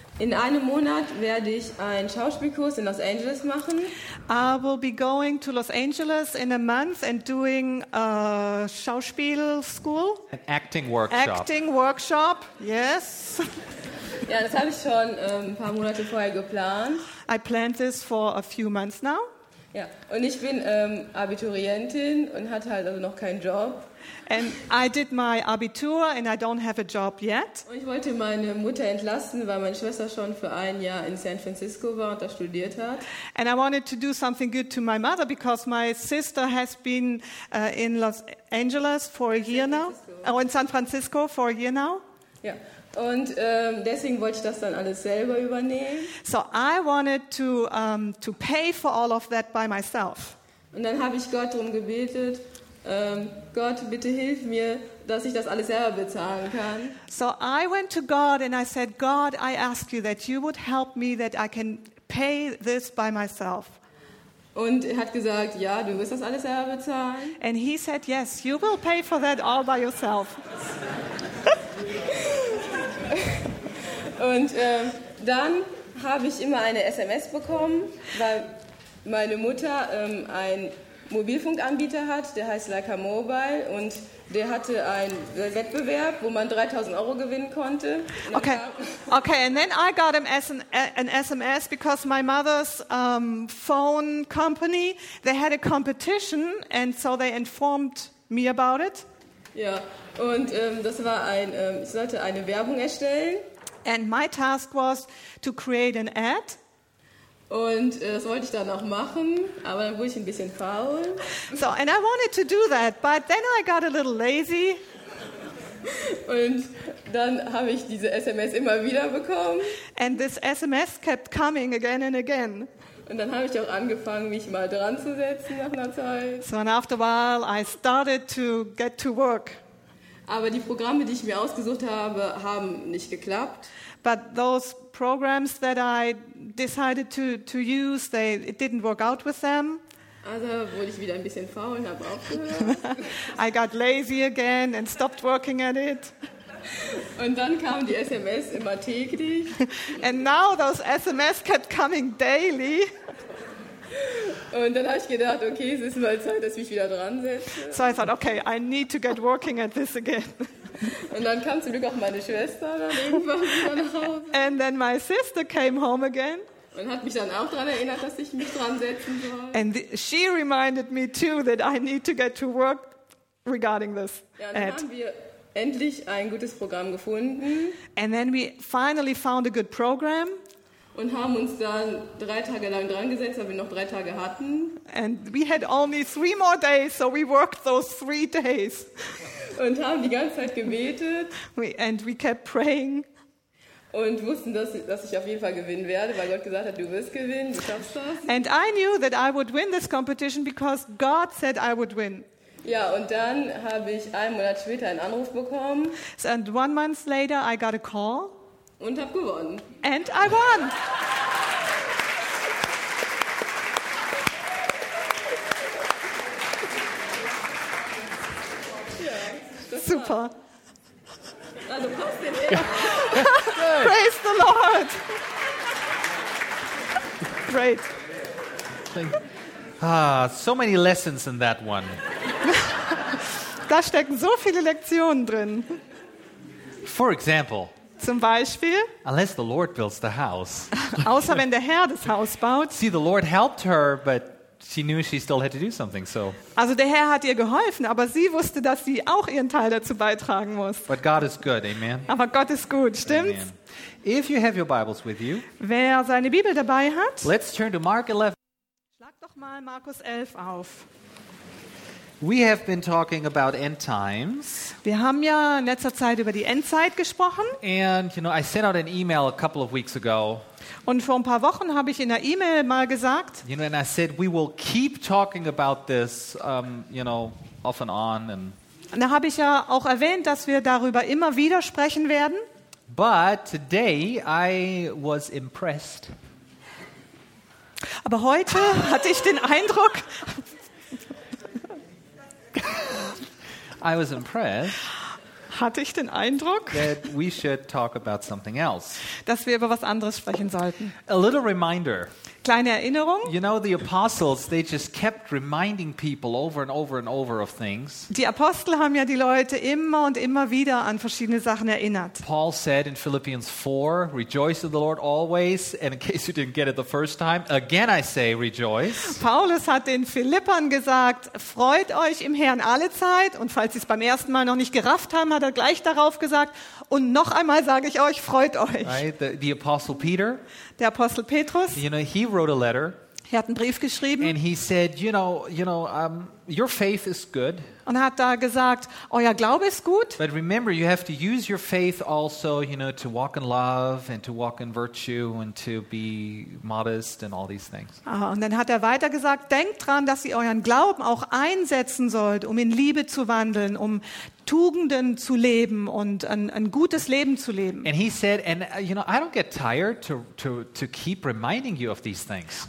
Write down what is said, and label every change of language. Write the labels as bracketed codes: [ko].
[de] In einem Monat werde ich einen Schauspielkurs in Los Angeles machen. [en] I will be going to Los Angeles in a month and doing a [de] Schauspiel [en] school. An acting workshop. Acting workshop, yes. [de] Ja, das habe ich schon ein paar Monate vorher geplant. [en] I planned this for a few months now. [de] Ja, und ich bin Abiturientin und hatte halt also noch keinen Job. [en] And I did my Abitur and I don't have a job yet. [de] Und ich wollte meine Mutter entlassen, weil meine Schwester schon für ein Jahr in San Francisco war und da studiert hat. [en] And I wanted to do something good to my mother because my sister has been in Los Angeles for a year now. Oh, in San Francisco for a year now. [de] Ja. Und deswegen wollte ich das dann alles selber übernehmen. [en] So I wanted to pay for all of that by myself. [de] Und dann habe ich Gott darum gebetet, Gott, bitte hilf mir, dass ich das alles selber bezahlen kann. [en] So I went to God and I said, God, I ask you that you would help me that I can pay this by myself. [de] Und er hat gesagt, ja, du wirst das alles selber bezahlen. [en] And he said, yes, you will pay for that all by yourself. [de] Und dann habe ich immer eine SMS bekommen, weil meine Mutter einen Mobilfunkanbieter hat, der heißt Leica Mobile, und der hatte einen Wettbewerb, wo man 3.000 Euro gewinnen konnte. [en] Okay. Okay, and then I got an SMS because my mother's phone company, they had a competition and so they informed me about it. [de] Ja, und das war ich sollte eine Werbung erstellen. [en] And my task was to create an ad. [de] Und das wollte ich dann auch machen, aber dann wurde ich ein bisschen faul. [en] So, and I wanted to do that, but then I got a little lazy. [de] Und dann habe ich diese SMS immer wieder bekommen. [en] And this SMS kept coming again and again. [de] Und dann habe ich auch angefangen, mich mal dran zu setzen nach einer Zeit. [en] So, and after a while, I started to get to work. [de] Aber die Programme, die ich mir ausgesucht habe, haben nicht geklappt. [en] But those programs that I decided to use, it didn't work out with them. [de] Also wurde ich wieder ein bisschen faul und habe aufgehört. [en] I got lazy again and stopped working at it. [de] Und dann kamen die SMS immer täglich. [en] And now those SMS kept coming daily. [de] Und dann habe ich gedacht, okay, es ist mal Zeit, dass ich mich wieder dran setze. [en] So I thought, okay, I need to get working at this again. [de] Und dann kam zum Glück auch meine Schwester dann irgendwann wieder nach Hause. [en] And then my sister came home again. [de] Und hat mich dann auch daran erinnert, dass ich mich dran setzen soll. [en] And she reminded me too that I need to get to work regarding this ad. [de] Ja, und dann haben wir endlich ein gutes Programm gefunden. [en] And then we finally found a good program. [de] Und haben uns dann 3 Tage lang dran gesetzt, weil wir noch 3 Tage hatten. [en] And we had only 3 more days, so we worked those 3 days. [de] Und haben die ganze Zeit gebetet. [en] We kept praying. [de] Und wussten, dass ich auf jeden Fall gewinnen werde, weil Gott gesagt hat, du wirst gewinnen, du schaffst das. [en] And I knew that I would win this competition because God said I would win. [de] Ja, und dann habe ich 1 Monat später einen Anruf bekommen. [en] So, and 1 month later I got a call. [de] Und hab gewonnen. [en] And I won. [de] Super. Also passt den [en] Praise the Lord. Great. So many lessons in that one. [de] Da stecken so viele Lektionen drin. [en] For example. [de] Zum Beispiel, [en] unless the Lord builds the house. [de] Außer wenn der Herr das Haus baut. [en] See, the Lord helped her, but she knew she still had to do something. So. [de] Also der Herr hat ihr geholfen, aber sie wusste, dass sie auch ihren Teil dazu beitragen muss. [en] But God is good, amen. [de] Aber Gott ist gut, stimmt's? Amen. [en] If you have your Bibles with you, [de] wer seine Bibel dabei hat, [en] let's turn to Mark 11. [de] Schlag doch mal Markus 11 auf. [en] We have been talking about end times. [de] Wir haben ja in letzter Zeit über die Endzeit gesprochen. [en] And you know, I sent out an email a couple of weeks ago. [de] Und vor ein paar Wochen habe ich in einer E-Mail mal gesagt, [en] you know, and I said we will keep talking about this, you know, off and on. And [de] da habe ich ja auch erwähnt, dass wir darüber immer wieder sprechen werden. [en] But today I was impressed. [de] Aber heute hatte ich den Eindruck. [en] I was impressed. [de] Hatte ich den Eindruck, [en] that we should talk about something else. [de] Dass wir über was anderes sprechen sollten. [en] A little reminder. [de] Kleine Erinnerung. [en] You know, the apostles, they just kept reminding people over and over and over of things. [de] Die Apostel haben ja die Leute immer und immer wieder an verschiedene Sachen erinnert. [en] Paul said in Philippians 4, rejoice in the Lord always, and in case you didn't get it the first time, again I say rejoice. [de] Paulus hat den Philippern gesagt, freut euch im Herrn alle Zeit, und falls sie es beim ersten Mal noch nicht gerafft haben, hat er gleich darauf gesagt, und noch einmal sage ich euch, freut euch. [en] Right, the apostle Peter. [de] Der Apostel Petrus. [en] You know, he wrote a letter. [de] Er hat einen Brief geschrieben. [en] And he said, you know, your faith is good. [de] Und hat da gesagt, euer Glaube ist gut. [en] But remember, you have to use your faith also, you know, to walk in love and to walk in virtue and to be modest and all these things. [de] Ah, und dann hat er weiter gesagt, denkt dran, dass ihr euren Glauben auch einsetzen sollt, um in Liebe zu wandeln, um Tugenden zu leben und ein gutes Leben zu leben. [en] And he said, and you know, I don't get tired to keep reminding you of these things.